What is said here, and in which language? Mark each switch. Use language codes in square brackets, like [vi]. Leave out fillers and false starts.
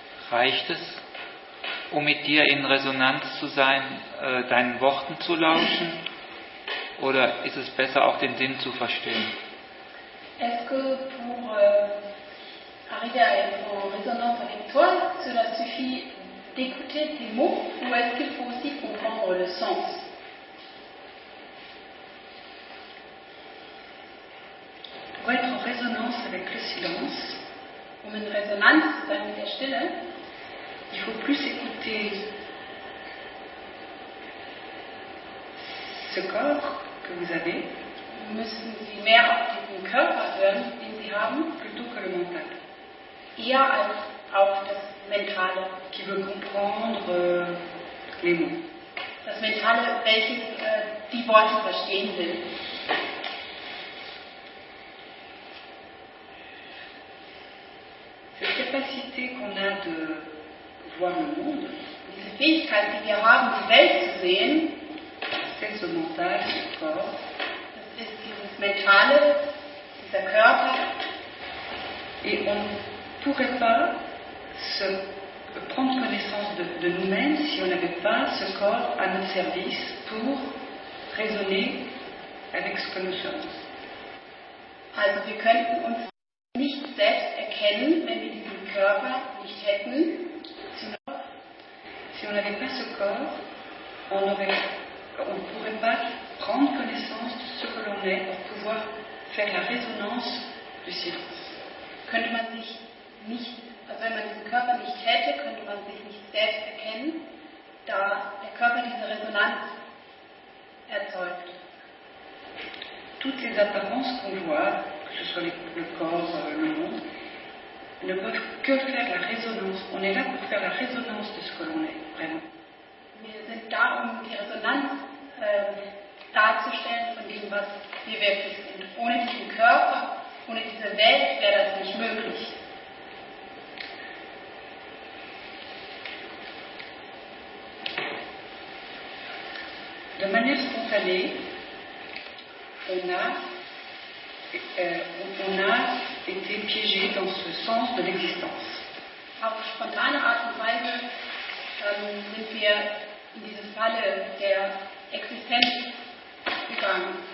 [de] Reicht es, um mit dir in Resonanz zu sein, deinen Worten zu lauschen? Oder ist es besser, auch den Sinn zu verstehen? [fr] Est-ce que pour arriver à être en résonance avec toi, cela suffit d'écouter tes mots ou est-ce qu'il faut aussi comprendre le sens? Pour être en résonance avec le silence, [de] um in Resonanz zu sein mit der Stille, [fr] il faut plus écouter ce corps que vous avez, [de] müssen Sie mehr auf diesen Körper hören, den Sie haben, [fr] plutôt que le mental. [de] Eher als auf das Mentale, [fr] qui veut comprendre les mots. [de] Das Mentale, welches die Worte verstehen will. [fr] Cette capacité qu'on a de voir le monde, [de] diese Fähigkeit, die wir haben, die Welt zu sehen, [fr] c'est ce mental, ce corps, [de] das ist dieses Mentale, dieser Körper. [fr] Et on ne pourrait pas se prendre connaissance de nous-mêmes si on n'avait pas ce corps à notre service pour raisonner avec ce que nous sommes. [de] Also wir könnten uns nicht selbst erkennen, wenn wir diesen Körper nicht hätten. [fr] si on n'avait pas ce corps, on ne pourrait pas prendre connaissance de ce que l'on est pour pouvoir faire la résonance du silence. [de] Könnte man sich nicht, also wenn man diesen Körper nicht hätte, könnte man sich nicht selbst erkennen, da der Körper diese Resonanz erzeugt. [fr] Toutes les apparences qu'on voit, que ce soit le corps, le monde, ne peuvent que faire la résonance. On est là pour faire la résonance de ce que l'on est, vraiment. [de] Wir sind da, die Resonanz darzustellen von dem, was wir wirklich sind. Ohne diesen Körper, ohne diese Welt wäre das nicht möglich. [fr] De manière spontanée, on a été piégé dans ce sens de l'existence. [de] Auf spontane Art und Weise sind wir in diese Falle der Existenz gegangen.